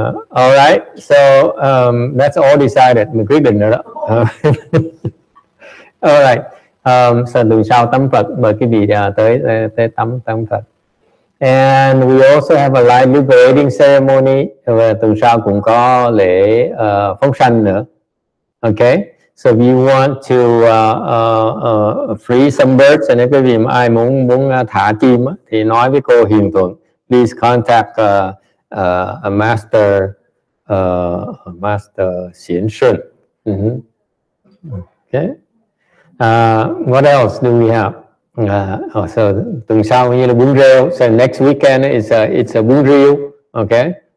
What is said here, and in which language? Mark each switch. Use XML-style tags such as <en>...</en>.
<en>All right, so that's all decided.</en> <vi>Mình quyết định rồi đó.</vi> <en>All right, so</en> <vi>lần sau tắm Phật, mời quý vị tới tắm Phật.</vi> <en>And we also have a light liberating ceremony.</en> <vi>Tuần sau cũng có lễ phóng sanh nữa. Okay.</vi> <en>So if you want to free some birds, and</en> <vi>quý vị ai muốn thả chim thì nói với cô Hiền Thuận.</vi> <en>Please contact a master, master Xuyên Xuân. Okay. What else do we have? So</en> <vi>tuần sau như là bún rêu.</vi> <en>So next weekend it's a bún rêu, okay?</en>